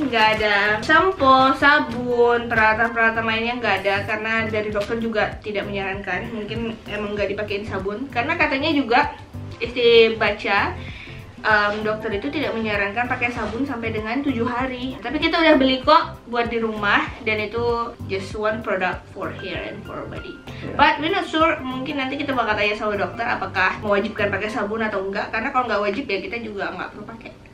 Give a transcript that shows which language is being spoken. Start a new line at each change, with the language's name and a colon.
Indonesian: Nggak ada shampoo, sabun, peralatan-peralatan lainnya nggak ada. Karena dari dokter juga tidak menyarankan. Mungkin emang nggak dipakein sabun. Karena katanya juga istri baca, dokter itu tidak menyarankan pakai sabun sampai dengan 7 hari. Tapi kita udah beli kok buat di rumah. Dan itu
English: just one product for hair and for body. But we're not sure,
Indonesian: mungkin nanti kita bakal tanya sama dokter apakah mewajibkan pakai sabun atau enggak. Karena kalau nggak wajib ya kita juga nggak perlu pakai.